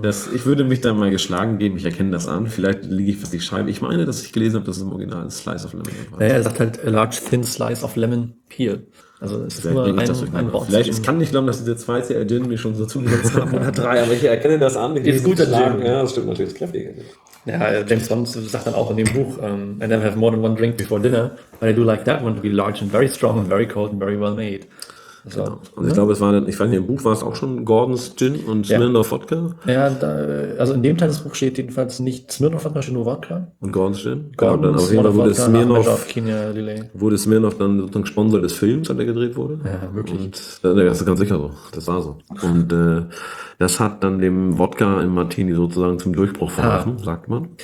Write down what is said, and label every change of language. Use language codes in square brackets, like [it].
[de] Das, ich würde mich da mal geschlagen geben, ich erkenne das an, vielleicht liege ich, was ich schreibe. Ich meine, dass ich gelesen habe, dass es im Original [en] Slice of Lemon [de] war. Naja, er sagt halt, [en] a large thin slice of lemon peel. [de] Also es ist immer ein Wort. Vielleicht, es kann nicht glauben, dass diese zwei CL Gin mir schon so zugesetzt haben. Oder drei, aber ich erkenne das an. Die ist guter Gin. Ja, das stimmt natürlich. Das ist kräftig. Ja, James Bond sagt dann auch in dem Buch, [en] I never have more than one drink before dinner, but I do like that one to be large and very strong and very cold and very well made. [de] So. Genau. Und ich glaube, es war dann, ich fand hier im Buch, war es auch schon Gordon's Gin und Smirnoff Wodka? Ja, da, also in dem Teil des Buchs steht jedenfalls nicht Smirnoff Wodka, sondern nur Wodka. Und Gordon's Gin? Gordon's Gin. Auf jeden Fall wurde Smirnoff, Kenya Lillet. Wurde Smirnoff dann sozusagen Sponsor des Films, als er gedreht wurde? Ja, wirklich. Und, das ist ganz sicher so. Das war so. Und das hat dann dem Wodka im Martini sozusagen zum Durchbruch verholfen, sagt man.